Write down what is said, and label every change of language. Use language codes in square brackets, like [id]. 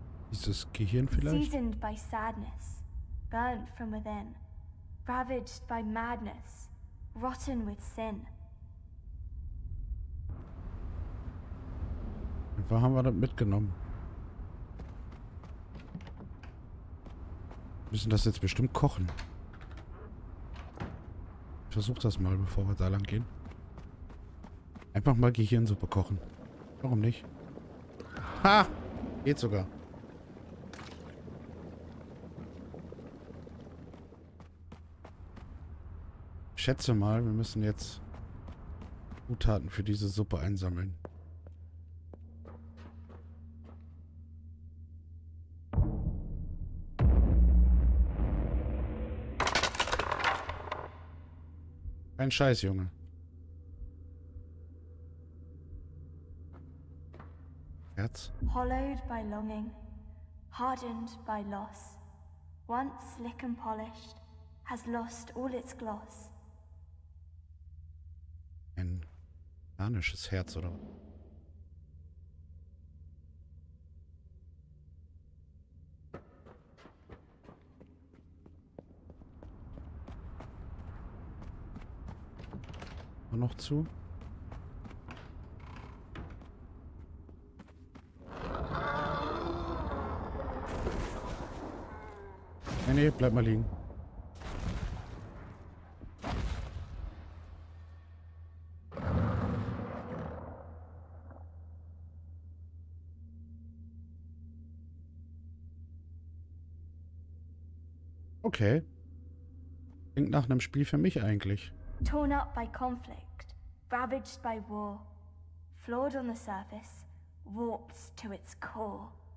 [de] Dieses Gehirn vielleicht? [en] Seasoned by sadness, burnt from within, ravaged by madness, rotten with sin. [de] Einfach haben wir das mitgenommen. Wir müssen das jetzt bestimmt kochen. Ich versuch das mal, bevor wir da lang gehen. Einfach mal Gehirnsuppe kochen. Warum nicht? Ha! Geht sogar. Schätze mal, wir müssen jetzt Zutaten für diese Suppe einsammeln. Kein Scheiß, Junge. Herz. [en] Hollowed by longing, hardened by loss. Once slick and polished, has lost all its gloss. [de] Ein panisches Herz, oder? Noch zu. Nee, bleib mal liegen. Okay. Klingt nach einem Spiel für mich eigentlich. [en] Torn up by conflict, ravaged by war, flawed on the surface, warped to its core.